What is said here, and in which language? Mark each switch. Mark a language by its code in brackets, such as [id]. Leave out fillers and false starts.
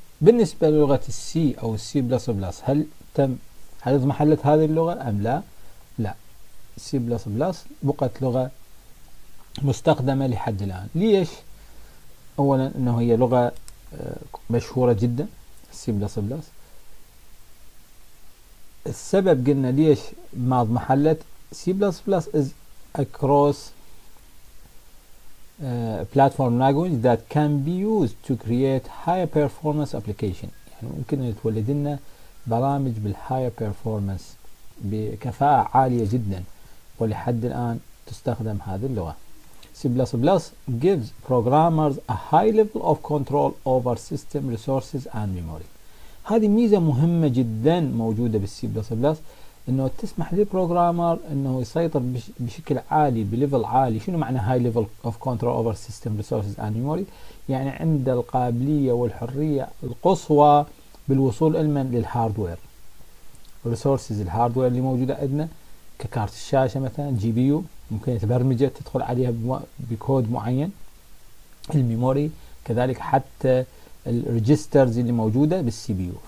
[ar] بالنسبة للغة السي أو السي بلس بلس، هل اضمحلت هذه اللغة أم لا؟ لا، سي بلس بلس بقت لغة مستخدمة لحد الآن. ليش؟ أولا أنه هي لغة مشهورة جدا سي بلس بلس. السبب قلنا ليش ما اضمحلت، سي بلس بلس [en] is across platform language that can be used to create higher performance application. [ar] يعني ممكن تولد لنا برامج بالhigher performance بكفاءة عالية جدا، ولحد الآن تستخدم هذه اللغة. [en] C++ gives programmers a high level of control over system resources and memory. [ar] هذه ميزة مهمة جدا موجودة بالC++، انه تسمح للبروغرامر انه يسيطر بشكل عالي بليفل عالي. شنو معنى [en] high level of control over system resources and memory؟ [ar] يعني عند القابلية والحرية القصوى بالوصول المن للهاردوير resources، الهاردوير اللي موجودة عندنا ككارت الشاشة مثلا جي بي يو ممكن تبرمجه تدخل عليها بكود معين، الميموري كذلك، حتى الريجسترز اللي موجودة بالسي بي يو.